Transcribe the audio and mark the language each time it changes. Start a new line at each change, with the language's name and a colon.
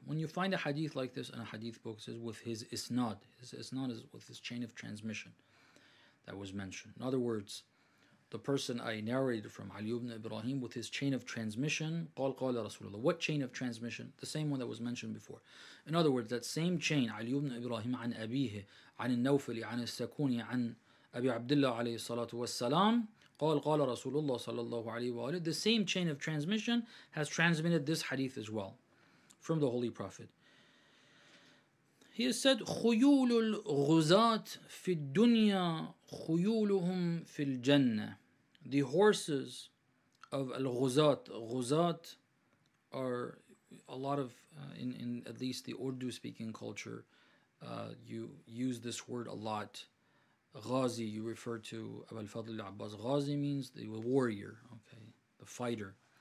English: When you find a hadith like this in a hadith book, it says with his isnad. His isnad is with his chain of transmission that was mentioned. In other words, the person I narrated from, Ali ibn Ibrahim, with his chain of transmission,
Arabic: قال قال رسول الله.
English: What chain of transmission? The same one that was mentioned before. In other words, that same chain,
Arabic: Ali ibn Ibrahim, عن أبيه, عن النوفل, عن السكون, عن أبي عبد الله عليه الصلاة والسلام, قال قال رسول الله صلى الله عليه وآله.
English: The same chain of transmission has transmitted this hadith as well from the Holy Prophet. He has said,
Arabic: خيول الغزاة في الدنيا خيولهم في الجنة.
English: The horses of al-ghuzat. Ghuzat are a lot of, in at least the Urdu-speaking culture, you use this word a lot. Ghazi, you refer to Abu al-Fadl al-Abbas. Ghazi means the warrior, okay, the fighter.